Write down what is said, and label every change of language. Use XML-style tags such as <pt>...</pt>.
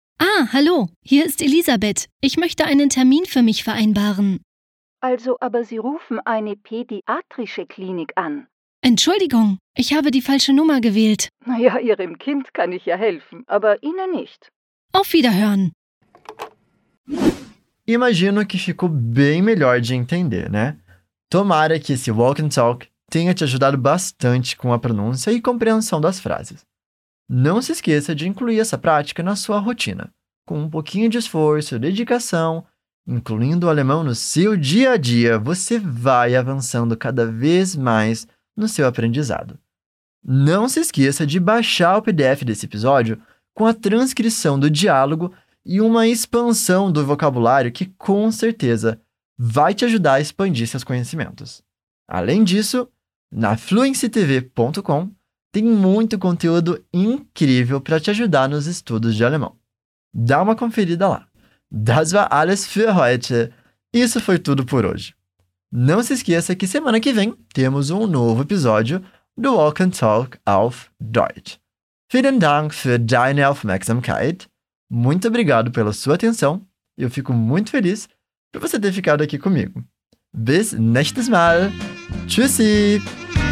<de>Ah, hallo, hier ist Elisabeth. Ich möchte einen Termin für mich vereinbaren. Also, aber Sie rufen eine pädiatrische Klinik an. Entschuldigung, ich habe die falsche Nummer gewählt. Naja, Ihrem Kind kann ich ja helfen, aber Ihnen nicht. Auf Wiederhören.</de> <pt>Imagino que ficou bem melhor de entender, né? Tomara que esse walk and talk tenha te ajudado bastante com a pronúncia e compreensão das frases. Não se esqueça de incluir essa prática na sua rotina, com um pouquinho de esforço, dedicação, incluindo o alemão no seu dia a dia, você vai avançando cada vez mais no seu aprendizado. Não se esqueça de baixar o PDF desse episódio com a transcrição do diálogo e uma expansão do vocabulário que, com certeza, vai te ajudar a expandir seus conhecimentos. Além disso, na fluencytv.com tem muito conteúdo incrível para te ajudar nos estudos de alemão. Dá uma conferida lá.</pt> <de>Das war alles für heute.</de> <pt>Isso foi tudo por hoje. Não se esqueça que semana que vem temos um novo episódio do Walk and Talk auf Deutsch.</pt> <de>Vielen Dank für deine Aufmerksamkeit.</de> <pt>Muito obrigado pela sua atenção. Eu fico muito feliz por você ter ficado aqui comigo.</pt> <de>Bis nächstes Mal. Tschüssi.</de>